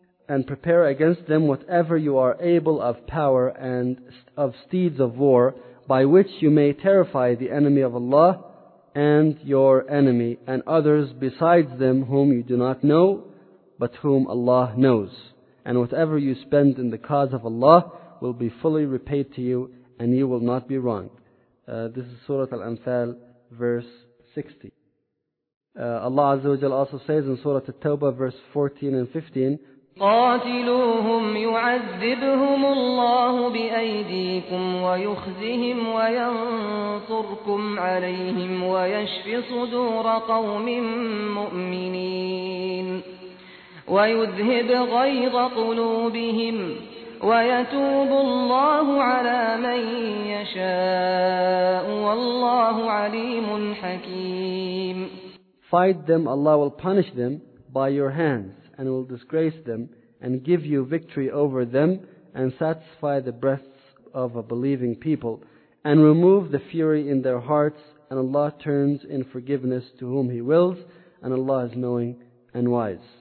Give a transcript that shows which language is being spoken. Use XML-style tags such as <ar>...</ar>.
<en>and prepare against them whatever you are able of power and of steeds of war, by which you may terrify the enemy of Allah and your enemy, and others besides them whom you do not know, but whom Allah knows. And whatever you spend in the cause of Allah will be fully repaid to you, and you will not be wronged. This is Surah Al-Anfal, verse 60. Allah Azza wa Jalla also says in Surah At-Tawbah, verse 14 and 15,</en> <ar>قاتلوهم يعذبهم الله بأيديكم ويخزهم وينصركم عليهم ويشف صدور قوم مؤمنين ويذهب غيظ قلوبهم ويتوب الله على من يشاء والله عليم حكيم.</ar> <en>Fight them, Allah will punish them by your hands and will disgrace them and give you victory over them and satisfy the breasts of a believing people and remove the fury in their hearts, and Allah turns in forgiveness to whom He wills, and Allah is knowing and wise.</en>